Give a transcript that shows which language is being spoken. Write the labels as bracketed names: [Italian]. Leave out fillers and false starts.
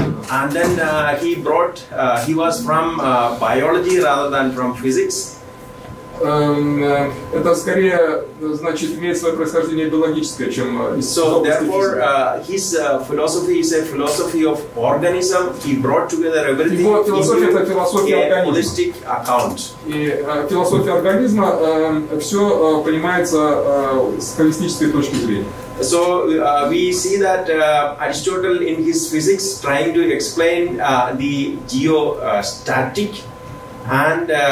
[English] And then he brought, he was from biology rather than from physics. [Russian] это скорее, значит, имеет свое происхождение биологическое, чем [English] So therefore, his philosophy is a philosophy of organism. He brought together everything. [Russian] Его философия — это философия организма. [English] Holistic account. [Russian] И философия организма все понимается с холистической точки зрения. [English] So we see that Aristotle in his physics trying to explain the geostatic and